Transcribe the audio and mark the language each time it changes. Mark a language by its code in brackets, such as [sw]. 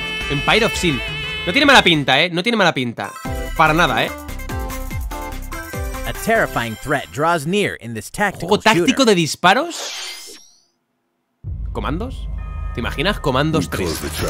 [es] Empire of Sin. No tiene mala pinta, No tiene mala pinta. Para nada, [en] A terrifying threat draws near in this tactical [es] ¿juego táctico de disparos? ¿Comandos? ¿Te imaginas Comandos 3?